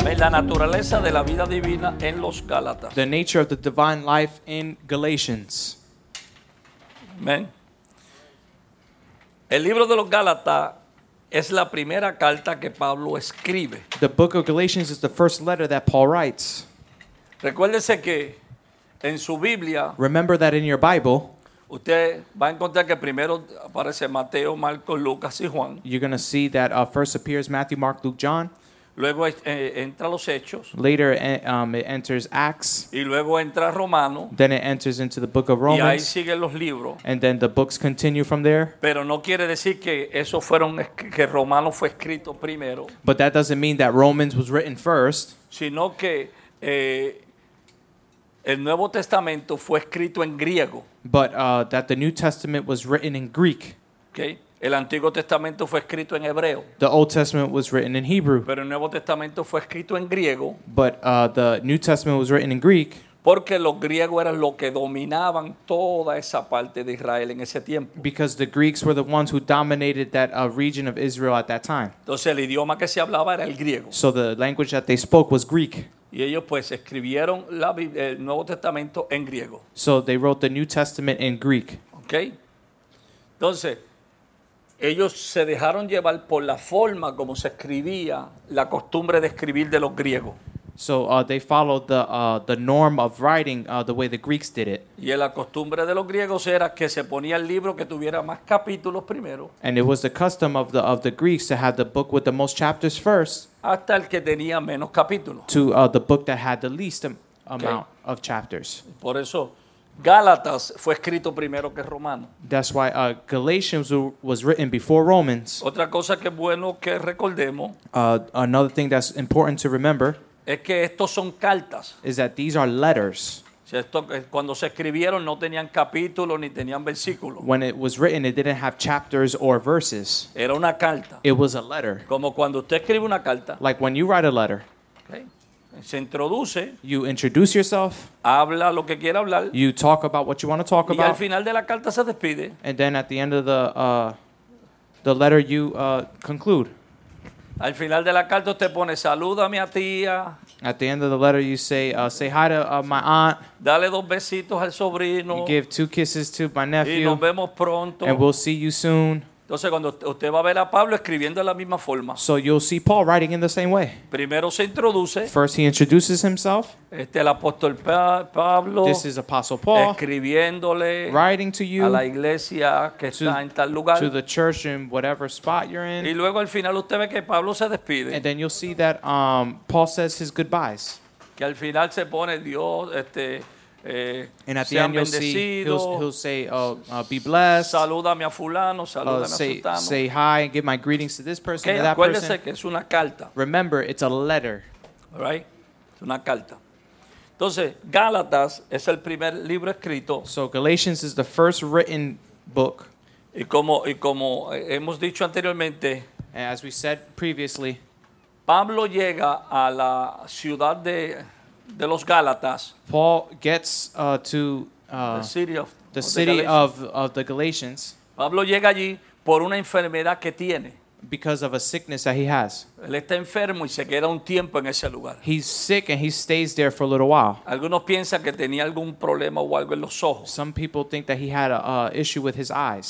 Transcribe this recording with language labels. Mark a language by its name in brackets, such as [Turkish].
[Spanish] naturaleza de la vida divina en los Gálatas. [English] The nature of the divine life in Galatians. Amen. [Spanish] El libro de los Gálatas es la primera carta que Pablo escribe. [English] The book of Galatians is the first letter that Paul writes. [Spanish] Recuérdese que en su Biblia, [English] remember that in your Bible, [Spanish] usted va a encontrar que primero aparece Mateo, Marcos, Lucas y Juan. [English] You're going to see that first appears Matthew, Mark, Luke, John. [Spanish] Luego entra los Hechos. [English] Later it enters Acts. [Spanish] Y luego entra Romano. [English] Then it enters into the book of Romans. [Spanish] Y ahí siguen los libros. [English] And then the books continue from there. [Spanish] Pero no quiere decir que eso fueron que Romano fue escrito primero. [English] But that doesn't mean that Romans was written first. [Spanish] Sino que el Nuevo Testamento fue escrito en griego. [English] But that the New Testament was written in Greek. [Spanish] Okay. El Antiguo Testamento fue escrito en hebreo. [English] The Old Testament was written in Hebrew. [Spanish] Pero el Nuevo Testamento fue escrito en griego. [English] But the New Testament was written in Greek. [Spanish] Porque los griegos eran los que dominaban toda esa parte de Israel en ese tiempo. [English] Because the Greeks were the ones who dominated that region of Israel at that time. [Spanish] Entonces el idioma que se hablaba era el griego. [English] So the language that they spoke was Greek. [Spanish] Y ellos pues escribieron la Biblia, el Nuevo Testamento en griego. [English] So they wrote the New Testament in Greek. Okay. [Spanish] Entonces ellos se dejaron llevar por la forma como se escribía, la costumbre de escribir de los griegos. [English] So they followed the norm of writing the way the Greeks did it. [Spanish] Y la costumbre de los griegos era que se ponía el libro que tuviera más capítulos primero. [English] And it was the custom of the Greeks to have the book with the most chapters first. [Spanish] Hasta el que tenía menos capítulos. [English] To the book that had the least amount okay. of chapters. [Spanish] Por eso Gálatas fue escrito primero que Romanos. [English] That's why Galatians was written before Romans. [Spanish] Otra cosa que es bueno que recordemos. [English] Another thing that's important to remember. [Spanish] Es que estos son cartas. [English] Is that these are letters. [Spanish] Cuando se escribieron no tenían capítulos ni tenían versículos. [English] When it was written, it didn't have chapters or verses. [Spanish] Era una carta. [English] It was a letter. [Spanish] Como cuando usted escribe una carta. [English] Like when you write a letter. [Spanish] Okay. Se introduce. [English] You introduce yourself. [Spanish] Habla lo que quiere hablar. [English] You talk about what you want to talk [Spanish] y [English] about. [Spanish] Y al final de la carta se despide. [English] And then at the end of the letter you conclude. [Spanish] Al final de la carta usted pone salúdame a tía. [English] At the end of the letter you say say hi to my aunt. [Spanish] Dale dos besitos al sobrino. [English] You give two kisses to my nephew. [Spanish] Y nos vemos pronto. [English] And we'll see you soon. [Spanish] Entonces cuando usted va a ver a Pablo escribiendo de la misma forma. [English] So you'll see Paul writing in the same way. [Spanish] Primero se introduce. [English] First he introduces himself. [Spanish] Este el apóstol Pablo. [English] This is Apostle Paul. [Spanish] Escribiéndole. [English] Writing to you. [Spanish] A la iglesia que está en tal lugar. [English] To the church in whatever spot you're in. [Spanish] Y luego al final usted ve que Pablo se despide. [English] And then you'll see that Paul says his goodbyes. [Spanish] Que al final se pone Dios [English] and at the end you'll see he'll say be blessed, [Spanish] salúdame a fulano, salúdame a [English] say hi and give my greetings to this person okay, to that [Spanish] acuérdese [English] person. [Spanish] Que es una carta. [English] Remember it's a letter. All right? [Spanish] Es una carta. Entonces, Gálatas es el primer libro escrito. [English] So Galatians is the first written book. [Spanish] Y como hemos dicho anteriormente, [English] and as we said previously, [Spanish] Pablo llega a la ciudad de los Gálatas. [English] Paul gets to the city of the Galatians. [Spanish] Pablo llega allí por una enfermedad que tiene. [English] Because of a sickness that he has. [Spanish] Él está enfermo y se queda un tiempo en ese lugar. [English] He's sick and he stays there for a little while. [Spanish] Algunos piensan que tenía algún problema o algo en los ojos. [English] Some people think that he had a issue with his eyes.